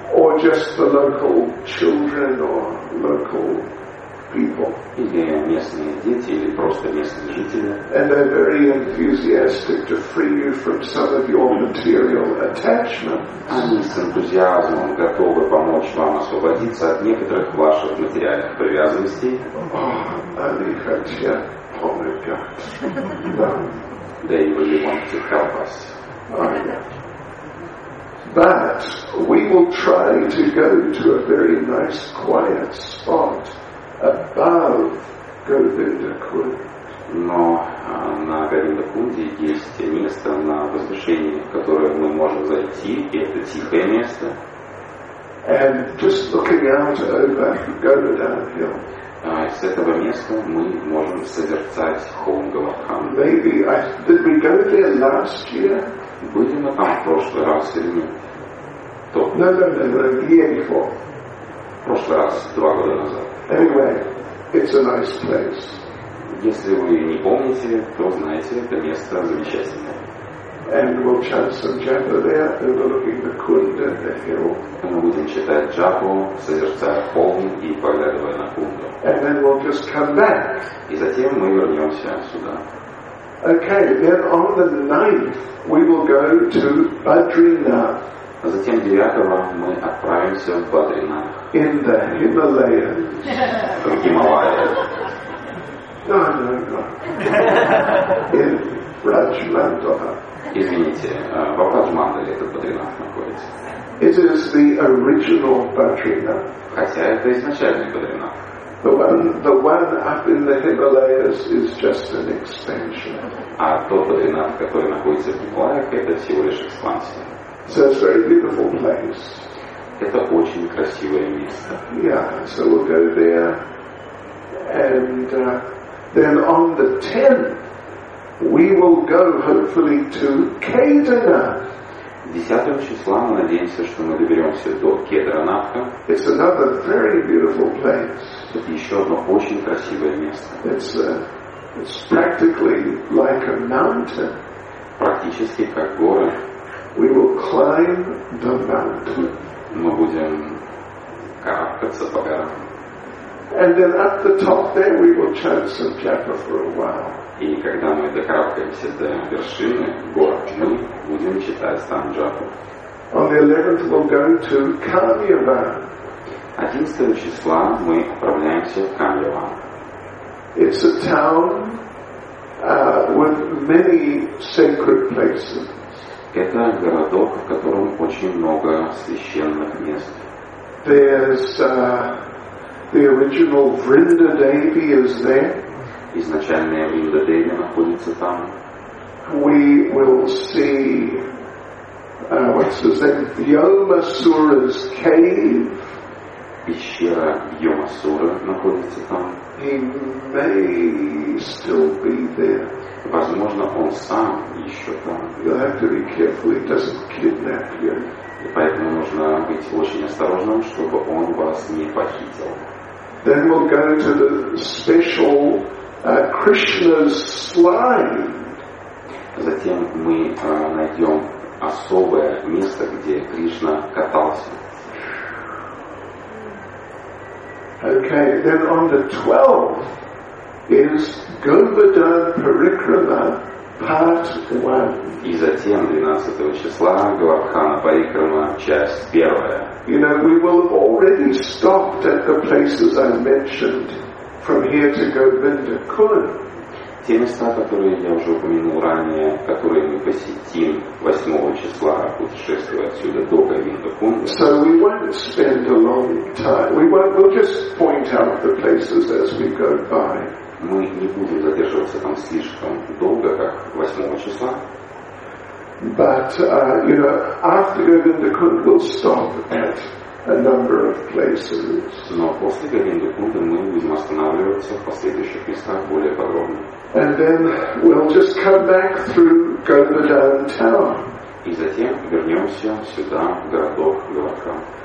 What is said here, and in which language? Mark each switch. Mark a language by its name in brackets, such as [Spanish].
[English] Or just the local children or local people. [Russian] Или местные дети, или просто местные жители. [English] And they're very enthusiastic to free you from some of your material attachments. [Russian] Они с энтузиазмом готовы помочь вам освободиться от некоторых ваших материальных привязанностей. Они хотят помогать. [English] They really want to help us. But we will try to go to a very nice quiet spot above Govinda Kund. [Russian] Но на Govinda Kund есть место на возвышении, в которое мы можем зайти, и это тихое место. [English] And just looking out over Govinda Hill. [Russian] С этого места мы можем созерцать холм Говардхан. [English] Maybe did we go there last year? [Russian] Были мы там в прошлый раз или нет? [English] No, year before. [Russian] В прошлый раз, 2 года назад. [English] Anyway, it's a nice place. [Russian] Если вы не помните, то знаете, это место замечательное. [English] And we'll chant some japa there, overlooking the Kund and the hill. [Russian] Мы будем читать джапу, созерцая холм и поглядывая на Кунду. [English] And then we'll just come back. [Russian] И затем мы вернемся сюда. [English] Okay, then on the 9th we will go to Badrinath. [Russian] А затем 9-го мы отправимся в Бадринах. [English] In the Himalayas. [Russian] В Гималаях. [English] No. In Раджмандала. [Russian] Извините, в Раджмандале этот Бадринах находится. [English] It is the original Badrinath. [Russian] Хотя это изначальный Бадринах. [English] The one up in the Himalayas is just an expansion. [Russian] А тот Бадринах, который находится в Гималаях, это всего лишь экспансия. [English] So it's a very beautiful place. [Russian] Это очень красивое место. [English] Yeah, so we'll go there. And then on the 10th, we will go, hopefully, to Kedarnath. [Russian] 10 числа мы надеемся, что мы доберемся до Кедарнатха. [English] It's another very beautiful place. [Russian] Это еще одно очень красивое место. [English] It's practically like a mountain. [Russian] Практически как горы. [English] We will climb the mountain. [Russian] Мы будем карабкаться по горам. [English] And then at the top there we will chant some japa for a while. [Russian] И когда мы докарабкаемся до вершины гор, мы будем читать сам джапу. [English] On the 11th we'll go to Kamyavan. [Russian] 11 числа мы отправляемся в Камьяван. [English] It's a town with many sacred places. [Russian] Это городок, в котором очень много священных мест. [English] There's the original Vrinda Devi is there. [Russian] Изначальная Винда Деви находится там. [English] We will see what's his name? Вьомасура's cave. [Russian] Пещера Вьомасура находится там. [English] He may still be there. [Russian] Возможно, он сам еще там. [English] You'll have to be careful, he doesn't kidnap you. [Russian] И поэтому нужно быть очень осторожным, чтобы он вас не похитил. [English] Then we'll go to the special Krishna's slide. [Russian] Затем мы найдем особое место, где Кришна катался. [English] Okay, then on the 12th is Govardhan Parikrama part 1. [Russian] И затем 12 числа Говардхана Парикрама часть 1. [English] You know, we will have already stopped at the places I mentioned from here to Govinda Kund. [Russian] Те места, которые я уже упомянул ранее, которые мы посетим 8 числа, путешествуя отсюда до Говинда Кунд. [English] So we won't spend a long time. We'll just point out the places as we go by. [Russian] Мы не будем задерживаться там слишком долго, как 8 числа. [English] But you know, after Govinda Kund we'll stop at a number of places. [Russian] Но после Говинда Кунда мы будем останавливаться в последующих местах более подробно. [English] And then we'll just come back through Govardhan town. [Russian] И затем вернемся сюда, в городок Говардхан.